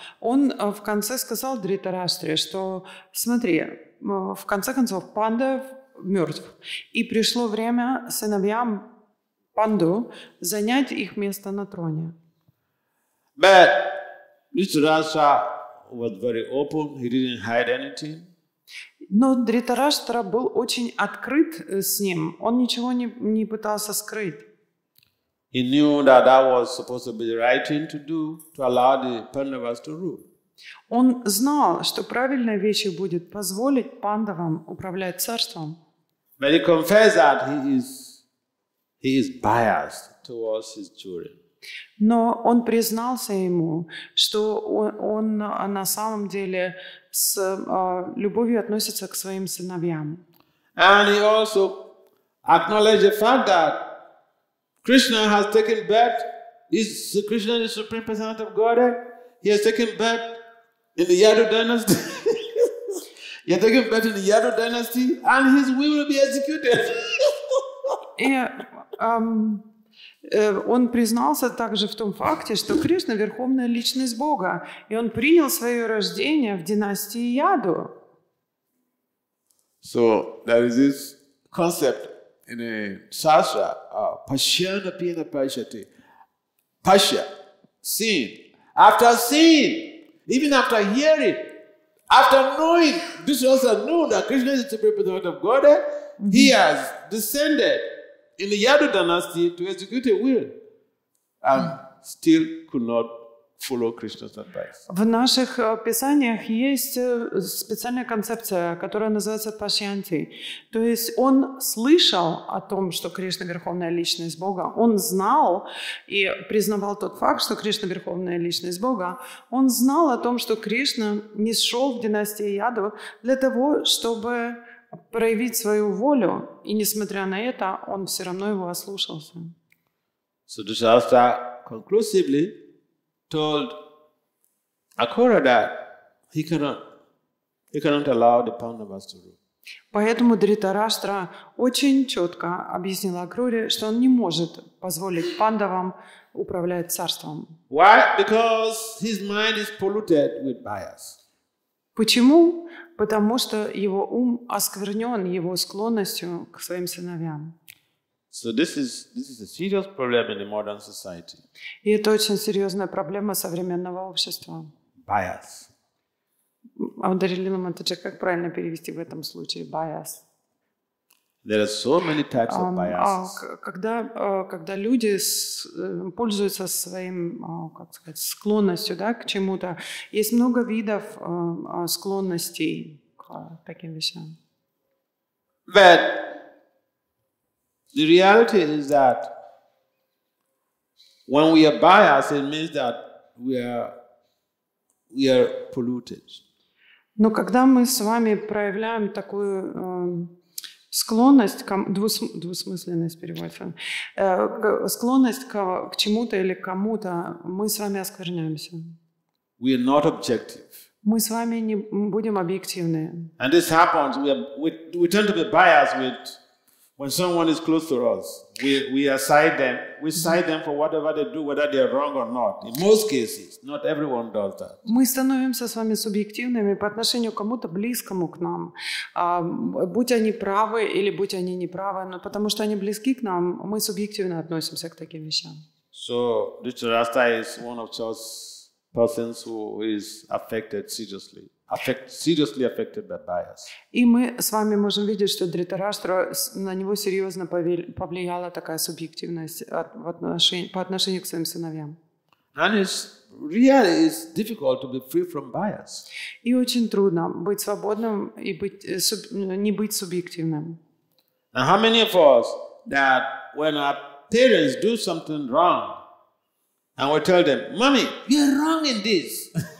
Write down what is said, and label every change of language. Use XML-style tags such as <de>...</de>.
<ru>Он в конце сказал Дхритараштре, что смотри, в конце концов Панда мертв, и пришло время сыновьям Панду занять их место на троне.</ru> <en>But Dhritarashtra was very open. He didn't hide anything.</en> <ru>Но Дхритараштра был очень открыт с ним. Он ничего не пытался скрыть.</ru> <en>He knew that that was supposed to be the right thing to do to allow the Pandavas to rule.</en> <ru>Он знал, что правильной вещью будет позволить пандавам управлять царством.</ru> <en>But he confessed that he is biased towards his children.</en> <ru>Но он признался ему, что он на самом деле с любовью относится к своим сыновьям.</ru> <en>And he also acknowledged the fact that Krishna has taken birth. Krishna is the Supreme Personality of Godhead. He has taken birth in the Yadu dynasty. He has taken birth in the Yadu dynasty, and his will be executed.</en> <ru>Он признался также в том факте, что Кришна — верховная личность Бога, и он принял свое рождение в династии Яду.</ru> <en>So there is this concept in a sastra,</en> <sa>pashyana pina pashyati.</sa> <en>Pashya, seeing. After seeing, even after hearing, after knowing, this also knew that Krishna is the Supreme Personality of Godhead, he has descended in the Yadu dynasty to execute a will and still could not follow Krishna's advice.</en> <ru>В наших писаниях есть специальная концепция, которая называется пашьянти. То есть он слышал о том, что Кришна — верховная личность Бога. Он знал и признавал тот факт, что Кришна — верховная личность Бога. Он знал о том, что Кришна не сшел в династии Яду для того, чтобы проявить свою волю. И несмотря на это, он все равно его ослушался.</ru> <en>So Dhritarashtra conclusively told Akura that he cannot allow the Pandavas to rule.</en> <ru>Поэтому Дхритараштра очень четко объяснил Акуре, что он не может позволить пандавам управлять царством.</ru> <en>Why? Because his mind is polluted with bias.</en> <ru>Почему? Потому что его ум осквернен его склонностью к своим сыновьям.</ru> <en>So this is a serious problem in the modern society.</en> <ru>И это очень серьезная проблема современного общества.</ru> <en>Bias.</en> <ru>А у Дарилина Матаджа, как правильно перевести в этом случае bias?</ru> <en>There are so many types of biases.</en> <ru>Когда люди пользуются своим, как сказать, склонностью, да, к чему-то, есть много видов склонностей к таким вещам.</ru> <en>But the reality is that when we are biased, it means that we are polluted.</en> <ru>Но когда мы с вами проявляем такую склонность к двусмысленность переводится, склонность к чему-то или кому-то, мы с вами оскверняемся.</ru> <en>We are not objective.</en> <ru>Мы с вами не будем объективны.</ru> <en>And this happens, we tend to be biased with When someone is close to us, we aside them. We side them for whatever they do, whether they are wrong or not. In most cases, not everyone does that.</en> <ru>Мы становимся с вами субъективными по отношению к кому-то близкому к нам. Будь они правы или будь они неправы, но потому что они близки к нам, мы субъективно относимся к таким вещам.</ru> <en>So, Richard Rasta is one of those persons who is affected seriously. Seriously affected by bias.</en> <ru>И мы с вами можем видеть, что Дхритараштра, на него серьезно повлияла такая субъективность по отношению к своим сыновьям.</ru> <en>And it's really is difficult to be free from bias.</en> <ru>И очень трудно быть свободным и не быть субъективным.</ru> <en>Now, how many of us that when our parents do something wrong, and we tell them, "Mommy, you're wrong in this."</en>